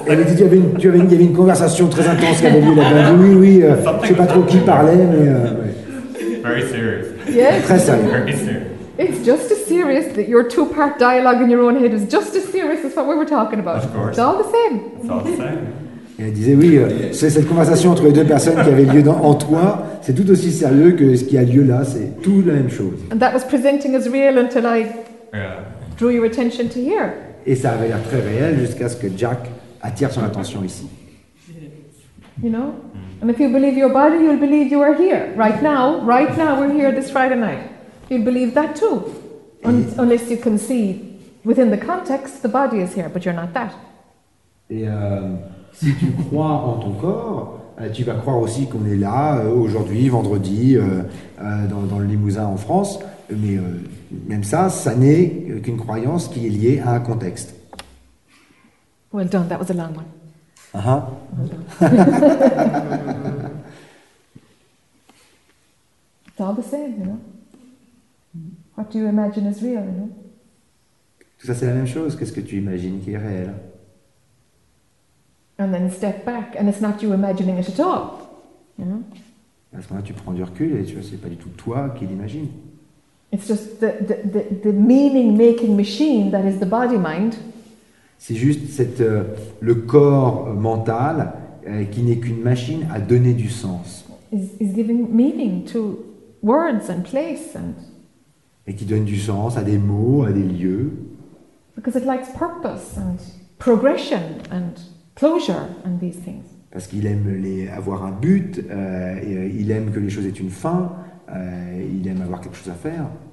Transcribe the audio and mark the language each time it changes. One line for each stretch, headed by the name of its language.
French: Elle dit il y avait une conversation très intense qui avait lieu là-bas. Oui, oui. Je ne sais pas trop qui parlait, mais.
English: Very serious. Yes.
French: Très sérieux.
English: Very serious. It's just as serious that your two-part dialogue in your own head is just as serious as what we were talking about. Of course. It's all the same. It's all the same.
French: Et elle disait, oui, c'est cette conversation entre les deux personnes qui avait lieu en toi, c'est tout aussi sérieux que ce qui a lieu là, c'est tout la même chose.
English: And that was presenting as real until I drew your attention to here.
French: Et ça avait l'air très réel jusqu'à ce que Jack attire son attention ici.
English: You know? And if you believe your body, you'll believe you are here. Right now, we're here this Friday night. You'd believe that too, unless you can see within the context the body is here, but you're not that.
French: Et si tu crois en ton corps, tu vas croire aussi qu'on est là aujourd'hui, vendredi, dans le Limousin en France. Mais même ça, ça n'est qu'une croyance qui est liée à un contexte.
English: Well done. That was a long one. Uh-huh. Well done. It's all the same, you know. What do you imagine is real, you know?
French: Tout ça, c'est la même chose. Qu'est-ce que tu imagines qui est réel?
English: And then step back, and it's not you imagining it at all, you know?
French: À ce moment-là, tu prends du recul et tu vois, c'est pas du tout toi qui l'imagines.
English: It's just the meaning-making machine that is the body-mind.
French: C'est juste le corps mental qui n'est qu'une machine à donner du sens.
English: Is giving meaning to words and place and...
French: Et qui donne du sens à des mots, à des lieux.
English: Because it likes purpose and progression and closure and these things.
French: Parce qu'il aime avoir un but, il aime que les choses aient une fin, il aime avoir quelque chose à faire.